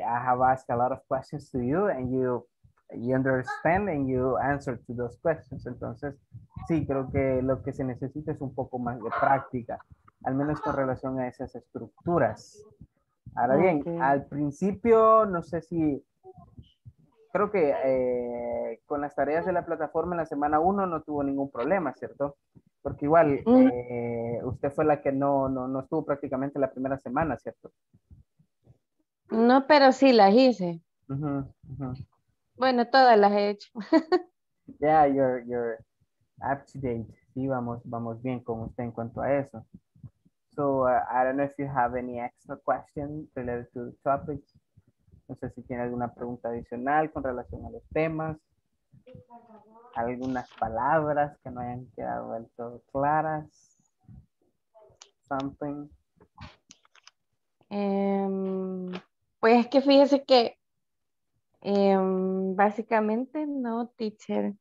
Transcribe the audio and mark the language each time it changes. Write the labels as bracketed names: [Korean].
[English] I have asked a lot of questions to you and you understand and you answer to those questions. [Spanish] Entonces, sí, creo que lo que se necesita es un poco más de práctica, al menos con relación a esas estructuras. Ahora bien, al principio, no sé si, creo que con las tareas de la plataforma en la semana 1 no tuvo ningún problema, ¿cierto? Porque igual usted fue la que no estuvo prácticamente la primera semana, ¿cierto? No, pero sí las hice. Uh-huh. Bueno, todas las he hecho. [English] Yeah, you're up to date. [Spanish] Sí, vamos bien con usted en cuanto a eso. [English] So, I don't know if you have any extra questions related to the topics. [Spanish] No sé si tiene alguna pregunta adicional con relación a los temas. Algunas palabras que no hayan quedado del todo claras. [English] Something. [Spanish] Pues es que fíjese que básicamente no, teacher.